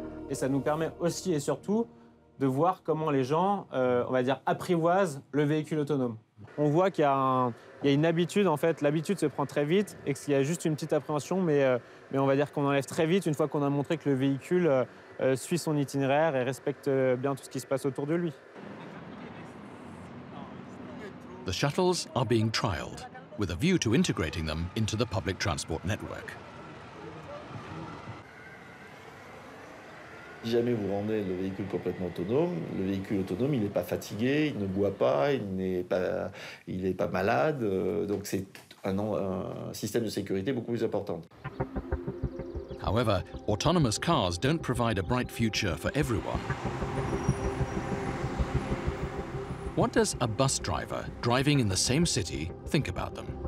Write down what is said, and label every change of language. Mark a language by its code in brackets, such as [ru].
[fr] Et ça nous permet aussi et surtout de voir comment les gens, on va dire, apprivoisent le véhicule autonome. On voit qu'il y a, il y a une habitude, en fait, l'habitude se prend très vite et qu'il y a juste une petite appréhension, mais on va dire qu'on enlève très vite une fois qu'on a montré que le véhicule suit son itinéraire et respecte bien tout ce qui se passe autour de lui. [en] The shuttles are being trialed with a view to integrating them into the public transport network. [fr] Si jamais vous rendez le véhicule complètement autonome, le véhicule autonome, il n'est pas fatigué, il ne boit pas, il n'est pas malade. Donc c'est un système de sécurité beaucoup plus important. [en] However, autonomous cars don't provide a bright future for everyone. What does a bus driver driving in the same city think about them?